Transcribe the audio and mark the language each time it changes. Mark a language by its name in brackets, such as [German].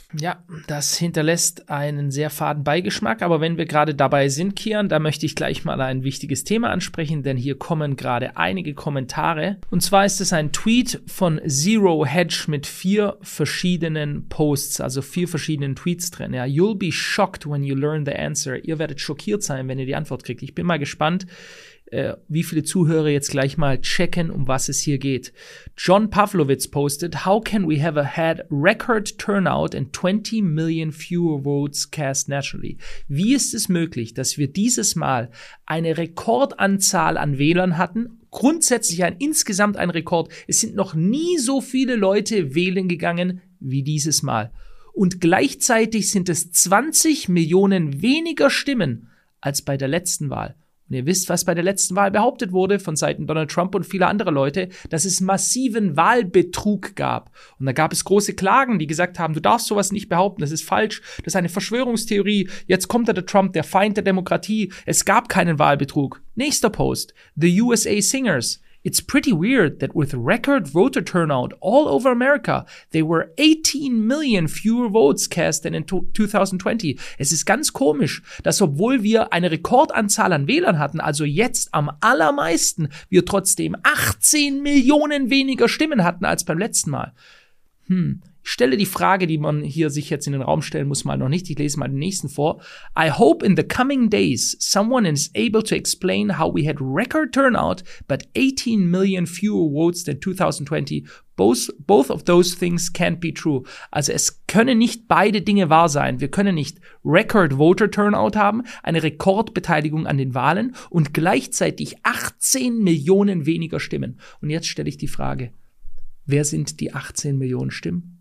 [German] Ja, das hinterlässt einen sehr faden Beigeschmack. Aber wenn wir gerade dabei sind, Kian, da möchte ich gleich mal ein wichtiges Thema ansprechen, denn hier kommen gerade einige Kommentare. Und zwar ist es ein Tweet von Zero Hedge mit vier verschiedenen Posts, also vier verschiedenen Tweets drin. [English] Ja, you'll be shocked when you learn the answer. [German] Ihr werdet schockiert sein, wenn ihr die Antwort kriegt. Ich bin mal gespannt, wie viele Zuhörer jetzt gleich mal checken, um was es hier geht. [English] John Pavlovitz postet, how can we have had record turnout and 20 million fewer votes cast nationally? [German] Wie ist es möglich, dass wir dieses Mal eine Rekordanzahl an Wählern hatten? Grundsätzlich insgesamt ein Rekord. Es sind noch nie so viele Leute wählen gegangen wie dieses Mal. Und gleichzeitig sind es 20 Millionen weniger Stimmen als bei der letzten Wahl. Und ihr wisst, was bei der letzten Wahl behauptet wurde von Seiten Donald Trump und vieler anderer Leute, dass es massiven Wahlbetrug gab. Und da gab es große Klagen, die gesagt haben, du darfst sowas nicht behaupten, das ist falsch, das ist eine Verschwörungstheorie, jetzt kommt der Trump, der Feind der Demokratie, es gab keinen Wahlbetrug. Nächster Post, The USA Singers. [English] It's pretty weird that with record voter turnout all over America, there were 18 million fewer votes cast than in 2020. [German] Es ist ganz komisch, dass obwohl wir eine Rekordanzahl an Wählern hatten, also jetzt am allermeisten, wir trotzdem 18 Millionen weniger Stimmen hatten als beim letzten Mal. Ich stelle die Frage, die man hier sich jetzt in den Raum stellen muss, mal noch nicht. Ich lese mal den nächsten vor. [English] I hope in the coming days someone is able to explain how we had record turnout, but 18 million fewer votes than 2020. Both of those things can't be true. [German] Also es können nicht beide Dinge wahr sein. Wir können nicht [English] record voter turnout [German] haben, eine Rekordbeteiligung an den Wahlen und gleichzeitig 18 Millionen weniger Stimmen. Und jetzt stelle ich die Frage. Wer sind die 18 Millionen Stimmen?